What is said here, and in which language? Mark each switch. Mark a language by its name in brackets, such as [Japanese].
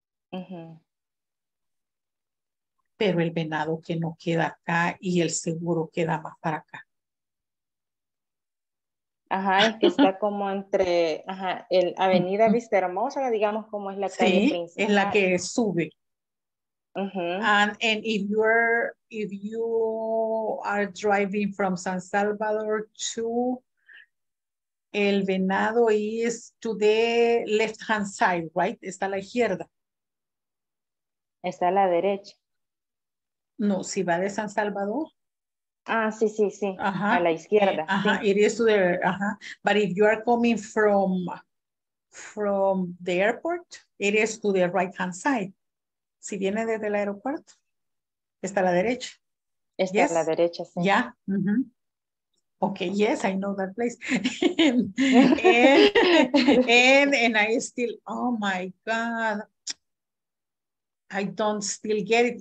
[Spanish] Pero el venado que no queda acá y el seguro queda más para acá. Ajá, es que está como entre, ajá, el Avenida Vista Hermosa, digamos, como es la calle principal. Sí, es la que sube. [English] And if you are driving from San Salvador to El Venado is to the left hand side, right? [Spanish] Está a la izquierda. Está a la derecha. No, si va de San Salvador. Ah, sí, sí, sí. Ajá. A la izquierda. Ajá, sí. [English] It is to the, ajá. But if you are coming from the airport, it is to the right hand side. [Spanish] Si viene desde el aeropuerto, está a la derecha. Está yes. A la derecha, sí. [English] Ya. Yeah. Mm-hmm. Okay, yes, I know that place. and I still, oh my God. I don't still get it.